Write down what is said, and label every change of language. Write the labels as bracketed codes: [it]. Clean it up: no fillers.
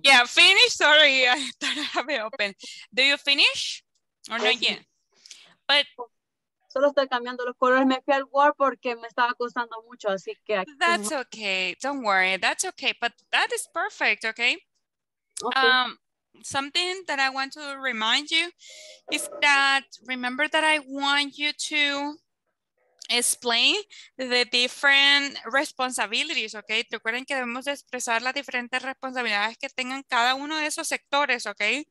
[en] Yeah, finish, sorry, I don't have it open. Do you finish? Or not yet? But... [es] Solo estoy cambiando los colores, me fui al Word porque me estaba costando mucho, así que... Aquí... [en] That's okay, don't worry, that's okay, but that is perfect, okay? Something that I want to remind you is that remember that I want you to explain the different responsibilities, okay? [es] Recuerden que debemos expresar las diferentes responsabilidades que tengan cada uno de esos sectores, okay?